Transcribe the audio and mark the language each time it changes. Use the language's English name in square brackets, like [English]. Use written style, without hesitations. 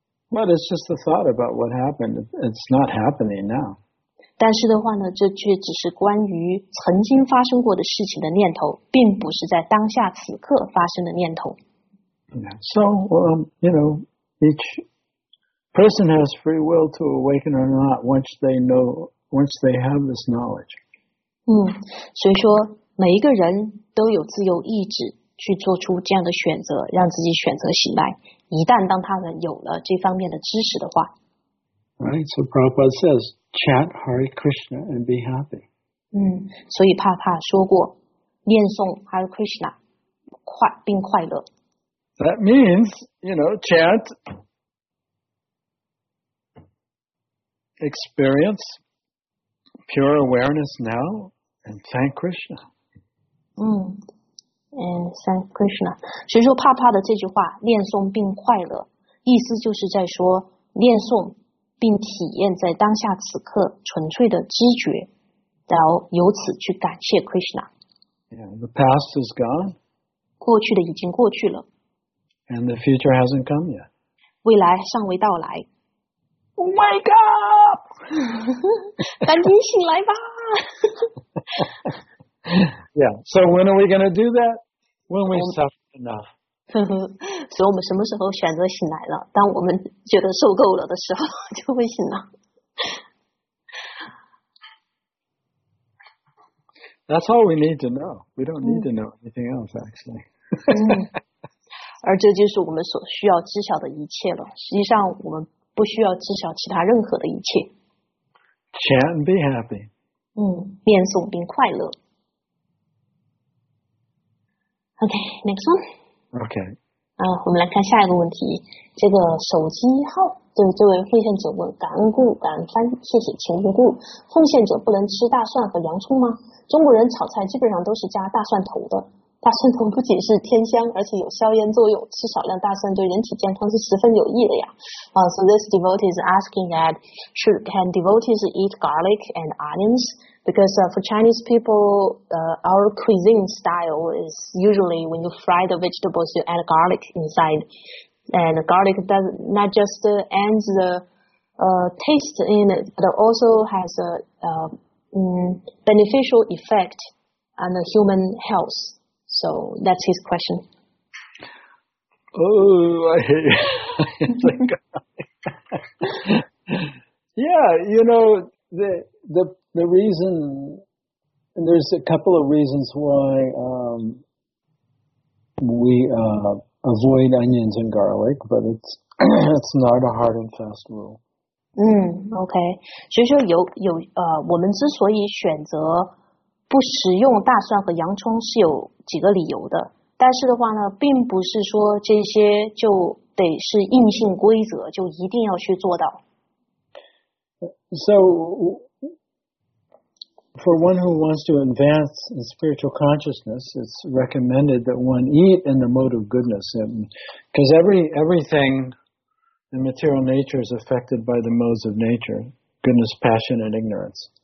[English] But it's just a thought about what happened. It's not happening now. [Chinese] 但是的话呢，这却只是关于曾经发生过的事情的念头，并不是在当下此刻发生的念头。 [English] Yeah. So, you know, each person has free will to awaken or not once they have this knowledge. [Chinese] 所以说每一个人都有自由意志去做出这样的选择，让自己选择醒来。一旦当他们有了这方面的知识的话。 [English] Right, so Prabhupada says, chant Hare Krishna and be happy. [Chinese] 所以帕帕说过，念诵 Hare Krishna, 并快乐。 [English] That means, you know, chant, experience pure awareness now, and thank Krishna. Thank Krishna. [Chinese] 所以说帕帕的这句话，念诵并快乐，意思就是在说念诵并体验在当下此刻纯粹的知觉，然后由此去感谢 Krishna. [English] Yeah, the past is gone. [Chinese] 过去的已经过去了。 [English] And the future hasn't come yet. [Chinese] 未来尚未到来。 [English] Wake up! [Chinese] 赶紧醒来吧。 [English] Yeah, so when are we going to do that? When we suffer enough. [Chinese] 所以我们什么时候选择醒来了？当我们觉得受够了的时候就会醒了。 [English] That's all we need to know. We don't need to know anything else, actually. [Chinese] 而这就是我们所需要知晓的一切了。实际上我们不需要知晓其他任何的一切。 [English] Chant and be happy. [Chinese] 念诵并快乐。 [English] Okay, next one. Okay. [Chinese] 我们来看下一个问题。这个手机号，对这位奉献者问，感恩顾，感恩翻，谢谢前无故。奉献者不能吃大蒜和洋葱吗？中国人炒菜基本上都是加大蒜头的。大蒜头不仅是天香，而且有消炎作用。吃少量大蒜对人体健康是十分有益的呀。 [English] So this devotee is asking that, can devotees eat garlic and onions? Because for Chinese people, our cuisine style is usually when you fry the vegetables, you add garlic inside. And garlic does not just adds the taste in it, but also has a beneficial effect on the human health. So that's his question. Oh, I hate the guy. Yeah, you know, the reason, and there's a couple of reasons why we avoid onions and garlic, but it's not a hard and fast rule. [Chinese] Okay. 所以说我们之所以选择不食用大蒜和洋葱是有几个理由的，但是的话呢，并不是说这些就得是硬性规则，就一定要去做到。 [English] So, for one who wants to advance in spiritual consciousness, it's recommended that one eat in the mode of goodness. Because everything in material nature is affected by the modes of nature, goodness, passion, and ignorance.